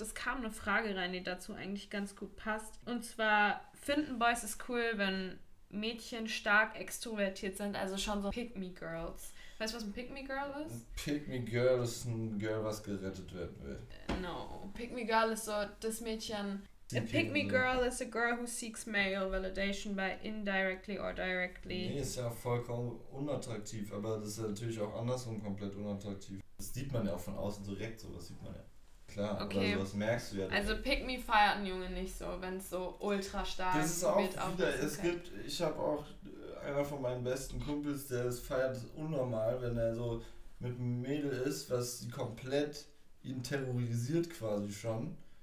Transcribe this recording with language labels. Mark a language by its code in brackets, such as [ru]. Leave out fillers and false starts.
[de] Es kam eine Frage rein, die dazu eigentlich ganz gut passt. Und zwar, finden Boys es cool, wenn Mädchen stark extrovertiert sind, also schon so Pick-Me-Girls. Weißt du, was ein Pick-Me-Girl ist? Pick-Me-Girl ist ein Girl, was gerettet werden will. [en] No. [de] Pick-Me-Girl ist so das Mädchen... [en] A Pick-Me-Girl is a girl who seeks male validation by indirectly or directly. [de] Nee, ist ja vollkommen unattraktiv, aber das ist ja natürlich auch andersrum komplett unattraktiv. Das sieht man ja auch von außen direkt, sowas sieht man ja. Klar, okay. Oder sowas merkst du ja. Also Pick-Me feiert ein Junge nicht so, wenn es so ultra stark wird. Das ist auch wieder, es gibt, ich habe auch einer von meinen besten Kumpels, der es feiert unnormal, wenn er so mit einem Mädel ist, was sie komplett ihn terrorisiert quasi schon.